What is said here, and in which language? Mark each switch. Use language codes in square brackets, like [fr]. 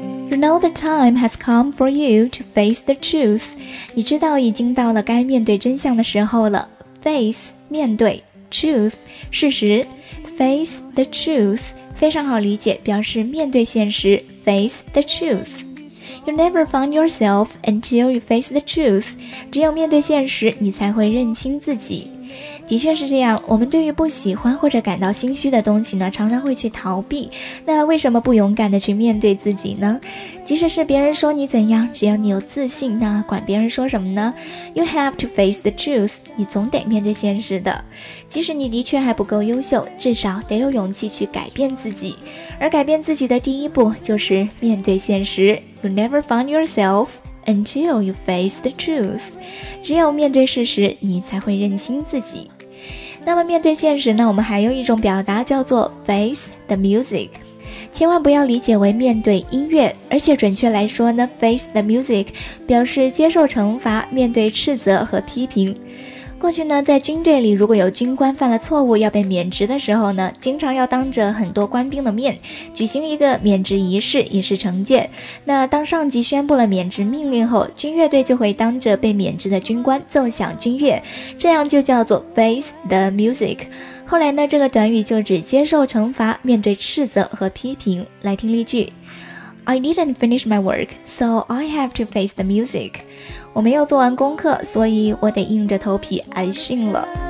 [en] You know the time has come for you to face the truth. [zh] 你知道已经到了该面对真相的时候了。Face, 面对。 Truth, 事实。 [en] Face the truth, [zh] 非常好理解，表示面对现实。 [en] Face the truth. You never find yourself until you face the truth. [zh] 只有面对现实，你才会认清自己。的确是这样，我们对于不喜欢或者感到心虚的东西呢，常常会去逃避。那为什么不勇敢地去面对自己呢？即使是别人说你怎样，只要你有自信，那管别人说什么呢？ [en] You have to face the truth， [zh] 你总得面对现实的。即使你的确还不够优秀，至少得有勇气去改变自己。而改变自己的第一步就是面对现实。 [en] You never find yourselfUntil you face the truth， [zh] 只有面对事实，你才会认清自己。那么面对现实呢？我们还有一种表达叫做 [en] face the music， [zh] 千万不要理解为面对音乐。而且准确来说呢， [en] face the music [zh] 表示接受惩罚，面对斥责和批评。过去呢，在军队里，如果有军官犯了错误要被免职的时候呢，经常要当着很多官兵的面举行一个免职仪式，以示惩戒。那当上级宣布了免职命令后，军乐队就会当着被免职的军官奏响军乐，这样就叫做 [en] face the music。 [zh] 后来呢，这个短语就指接受惩罚，面对斥责和批评。来听例句。 [en] I didn't finish my work, so I have to face the music. [zh] 我没有做完功课，所以我得硬着头皮挨训了。